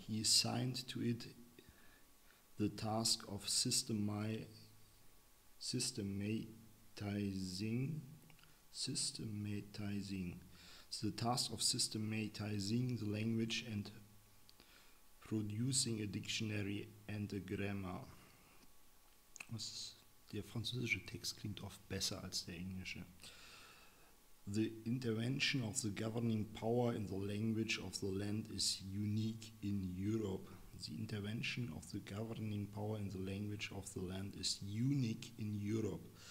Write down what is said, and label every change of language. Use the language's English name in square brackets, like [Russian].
[English] He assigned to it the task of systematizing the language and producing a dictionary and a grammar. [German] Der französische Text klingt oft besser als der englische. [English] The intervention of the governing power in the language of the land is unique in Europe. The intervention of the governing power in the language of the land is unique in Europe.